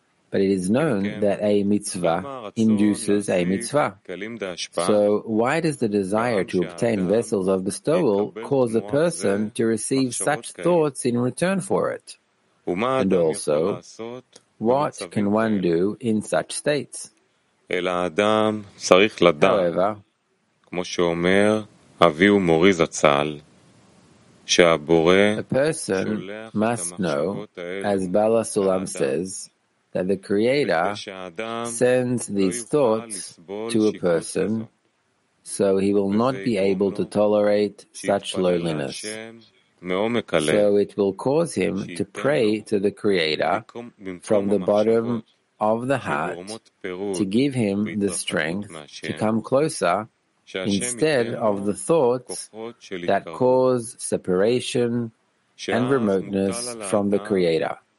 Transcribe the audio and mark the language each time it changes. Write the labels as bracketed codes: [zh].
[en] But it is known that a mitzvah induces a mitzvah. So why does the desire to obtain vessels of bestowal cause a person to receive such thoughts in return for it? And also, What can one do in such states? [he] אלא האדם צריך לדעת, כמו שאומר, אבי הוא מורי זצ"ל, שהבורא [en] A person must know, as Bala Sulam says, that the Creator sends these thoughts to a person, so he will not be able to tolerate such loneliness. So it will cause him to pray to the Creator from the bottom of the heart to give him the strength to come closer instead of the thoughts that cause separation and remoteness from the Creator.